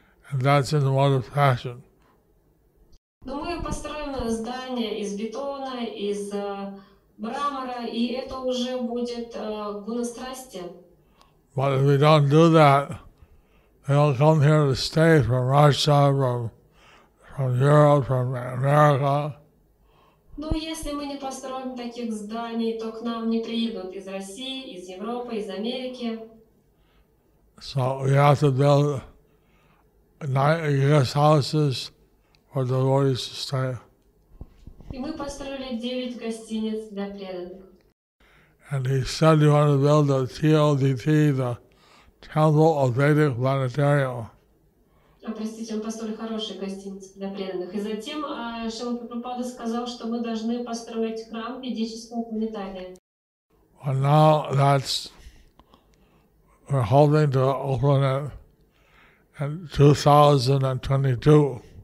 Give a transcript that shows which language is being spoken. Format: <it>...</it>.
<en>And that's in the mode of passion. But if we don't do that, they don't come here to stay from Russia, from Europe, from America.</en> <ru>Ну, если мы не построим таких зданий, то к нам не приедут из России, из Европы, из Америки.</ru> <en>So we have to build guest houses for the devotees to stay.</en> <ru>И мы построили 9 гостиниц для преданных.</ru> <en>And he said you want to build a TLDT, the Temple of Vedic Planetarium.</en> <ru>Простите, он построил хорошие гостиницы для преданных. И затем Шрила Прабхупада сказал, что мы должны построить храм ведического планетария.</ru> <en>And now that's, we're hoping to open it in 2022.</en>